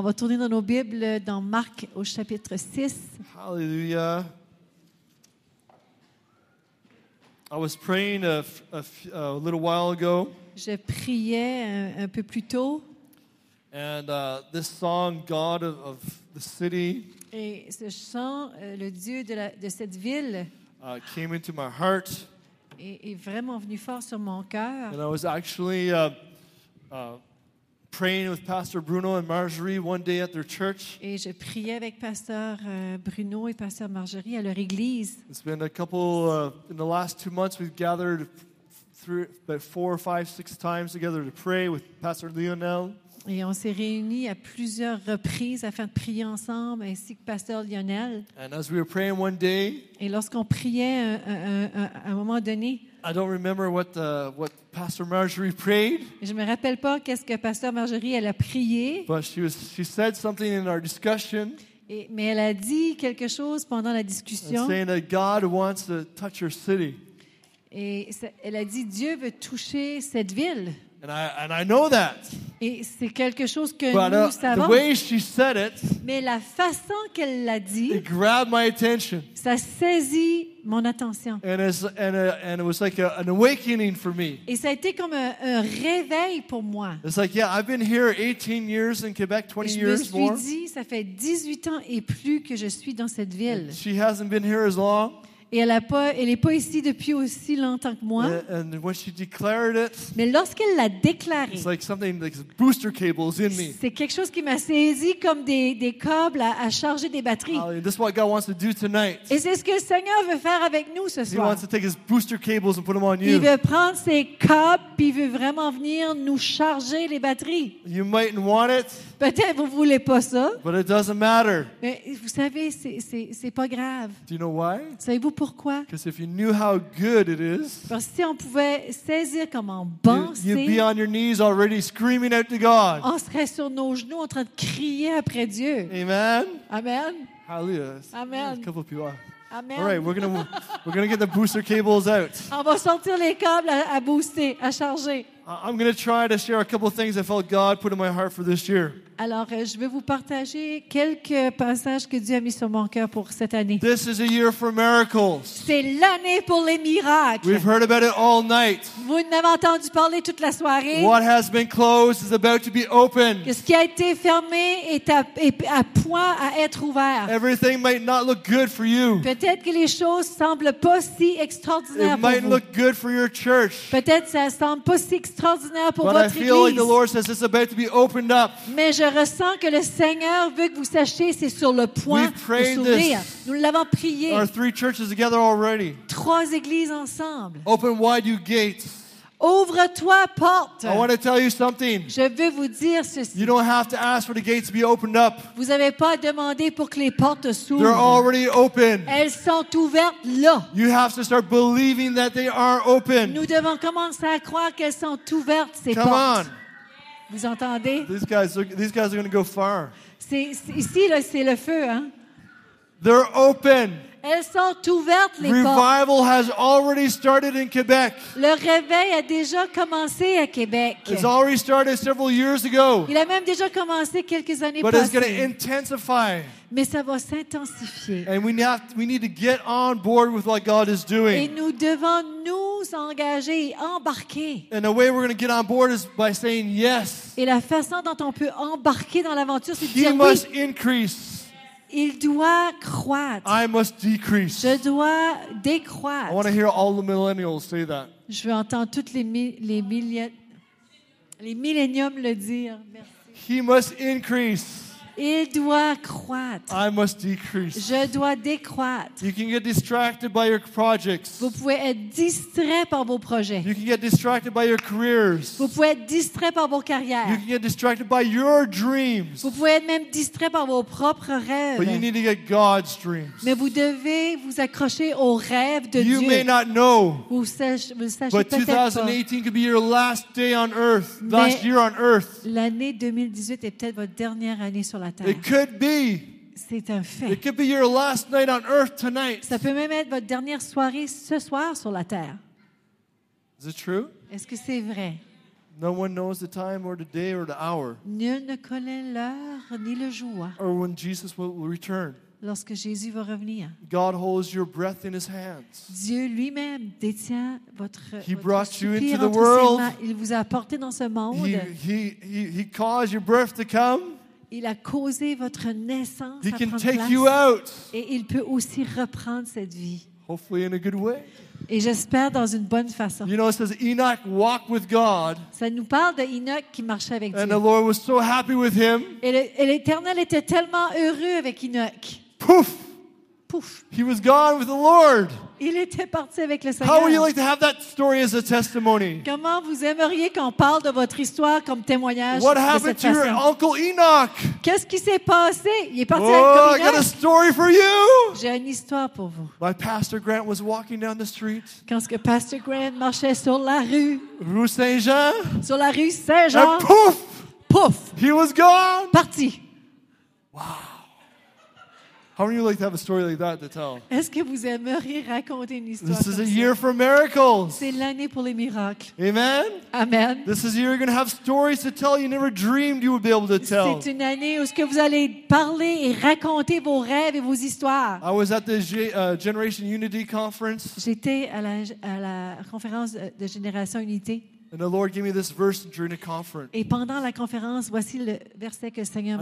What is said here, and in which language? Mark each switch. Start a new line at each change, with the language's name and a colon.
French: On va tourner dans nos Bibles dans Marc au chapitre 6.
English: Hallelujah. I was praying a little while ago.
French: Je priais un peu plus tôt.
English: And this song, God of the City.
French: Et ce chant, le Dieu de cette ville.
English: Came into my heart.
French: Est vraiment venu fort sur mon cœur.
English: And I was actually praying with Pastor Bruno and Marjorie one day at their church.
French: Et je priais avec Pasteur Bruno et Pasteur Marjorie à leur église.
English: It's been a couple, in the last 2 months, we've gathered about 4, 5, 6 times together to pray with Pastor Lionel.
French: Et on s'est réunis à plusieurs reprises afin de prier ensemble, ainsi que Pasteur Lionel.
English: And as we were praying one day,
French: et lorsqu'on priait à un moment donné,
English: I don't remember what Pastor Marjorie prayed.
French: Je me rappelle pas qu'est-ce que Pasteur Marjorie elle a prié.
English: But she said something in our discussion.
French: Mais elle a dit quelque chose pendant la discussion.
English: Saying that God wants to touch your city.
French: Et elle a dit Dieu veut toucher cette ville.
English: And I know that.
French: Et c'est quelque chose que
English: but
French: nous savons.
English: The way she said it,
French: mais la façon qu'elle l'a dit,
English: it grabbed my attention.
French: Ça saisit mon attention.
English: And it was like an awakening for me.
French: Et ça a été comme un réveil pour moi.
English: It's like, yeah, I've been here 18 years in Quebec, 20 years more.
French: Et je me suis dit, ça fait 18 ans et plus que je suis dans cette ville.
English: And she hasn't been here as long.
French: Et elle n'est pas ici depuis aussi longtemps que moi.
English: And when she declared it,
French: mais lorsqu'elle l'a déclaré,
English: it's like something like booster cables in me.
French: C'est quelque chose qui m'a saisi comme des câbles à charger des batteries.
English: This is what God wants to do tonight.
French: Et c'est ce que le Seigneur veut faire avec nous ce soir.
English: He wants to take his booster cables and put them on you.
French: Il veut prendre ses câbles puis veut vraiment venir nous charger les batteries.
English: You mightn't want it.
French: Peut-être vous voulez pas ça.
English: But it doesn't matter.
French: Mais vous savez, c'est pas grave.
English: Do you know why?
French: Savez-vous pourquoi?
English: Because if you knew how good it is.
French: Parce que si on pouvait saisir comment bon c'est.
English: You'd be on your knees already screaming out to God.
French: On serait sur nos genoux en train de crier après Dieu.
English: Amen.
French: Amen.
English: Hallelujah.
French: Amen.
English: A couple of people.
French: Amen.
English: All right, we're gonna get the booster cables out.
French: On va sortir les câbles à booster, à charger.
English: I'm going to try to share a couple of things I felt God put in my heart for this year.
French: Alors, je vais vous partager quelques passages que Dieu a mis sur mon cœur pour cette année.
English: This is a year for miracles.
French: C'est l'année pour les miracles.
English: We've heard about it all night.
French: Vous n'avez entendu parler toute la soirée.
English: What has been closed is about to be open.
French: Ce qui a été fermé est à point à être ouvert.
English: Everything might not look good for you.
French: Peut-être que les choses semblent pas si extraordinaires pour vous.
English: It might look good for your church.
French: Peut-être ça semble pas si extraordinaire pour votre église.
English: But I feel like the Lord says it's about to be opened up.
French: Mais je ressens que le Seigneur veut que vous sachiez c'est sur le point de s'ouvrir. Nous l'avons prié.
English: Our three churches together already.
French: Trois églises ensemble.
English: Open wide your gates.
French: Ouvre-toi porte.
English: I want to tell you something.
French: Je veux vous dire ceci.
English: You don't have to ask for the gates to be opened up.
French: Vous n'avez pas à demander pour que les portes s'ouvrent.
English: They're already open.
French: Elles sont ouvertes là.
English: You have to start believing that they are open.
French: Nous devons commencer à croire qu'elles sont ouvertes ces
English: Come
French: portes.
English: Come on.
French: Vous entendez?
English: These guys are going to go far.
French: Ici, là, c'est le feu, hein?
English: They're open.
French: Elles sont ouvertes, les
English: Revival
French: portes.
English: Has already started in Quebec.
French: Le réveil a déjà commencé à Québec.
English: It's already started several years ago.
French: Il a même déjà commencé quelques années
English: But
French: passées.
English: But it's going to intensify.
French: Mais ça va s'intensifier.
English: And we need to get on board with what God is doing.
French: Et nous devons nous engager et embarquer.
English: And the way we're going to get on board is by saying yes.
French: Et la façon dont on peut embarquer dans l'aventure, c'est de dire
English: He
French: oui.
English: He must increase.
French: Il doit croître.
English: I must decrease.
French: Je dois décroître.
English: I want to hear all the millennials say that.
French: Je veux entendre toutes les milléniums le dire. Merci.
English: He must increase.
French: Il doit croître.
English: I must decrease.
French: Je dois décroître.
English: You can get distracted by your projects.
French: Vous pouvez être distrait par vos projets.
English: You can get distracted by your careers.
French: Vous pouvez être distrait par vos carrières.
English: You can get distracted by your dreams.
French: Vous pouvez être même distrait par vos propres rêves.
English: But you need to get God's dreams.
French: Mais vous devez vous accrocher aux rêves de
English: you
French: Dieu.
English: You may not know.
French: Vous le sachez peut-être pas.
English: But 2018 could be your last day on earth. Last year on earth.
French: L'année 2018 est peut-être votre dernière année sur
English: It could be.
French: C'est un fait.
English: It could be your last night on earth tonight.
French: Ça peut même être votre dernière soirée ce soir sur la terre.
English: Is it true?
French: Est-ce que c'est vrai?
English: No one knows the time or the day or the hour.
French: Nul ne connaît l'heure ni le jour.
English: Or when Jesus will return.
French: Lorsque Jésus va revenir.
English: God holds your breath in his hands.
French: Dieu lui-même détient votre
English: He brought you into the world.
French: Il vous a apporté dans ce monde.
English: He caused your breath to come.
French: Il a causé votre naissance
English: He
French: à
English: can
French: prendre
English: take
French: place.
English: You out.
French: Et il peut aussi reprendre cette vie.
English: Hopefully in a good way.
French: Et j'espère dans une bonne façon.
English: You know, it says Enoch walked with God.
French: Ça nous parle de Enoch qui marchait avec Dieu.
English: And the Lord was so happy with him.
French: Et l'Éternel était tellement heureux avec Enoch.
English: Poof.
French: Poof.
English: He was gone with the Lord.
French: Il était parti avec le Seigneur.
English: How would you like to have that story as a testimony?
French: Comment vous aimeriez qu'on parle de votre histoire comme témoignage?
English: What happened
French: de cette
English: to
French: façon?
English: Your uncle Enoch?
French: Qu'est-ce qui s'est passé? Il est parti
English: oh,
French: avec Enoch.
English: Oh, I got a story for you.
French: J'ai une histoire pour vous.
English: My pastor Grant was walking down the street.
French: Quand que Pasteur Grant marchait sur la rue. Rue Saint-Jean. Sur la rue Saint-Jean.
English: And poof!
French: Poof!
English: He was gone.
French: Parti.
English: Wow. How would you like to have a story like that to tell?
French: Est-ce que vous aimeriez raconter une histoire?
English: This is a year for miracles.
French: C'est l'année pour les miracles.
English: Amen.
French: Amen.
English: This is a year you're going to have stories to tell you never dreamed you would be able to tell.
French: C'est une année où ce que vous allez parler et raconter vos rêves et vos histoires.
English: I was at the Generation Unity conference.
French: J'étais à la conférence de Génération Unité.
English: And the Lord gave me this verse during a conference.
French: Et pendant la conférence, voici le verset que le Seigneur m'a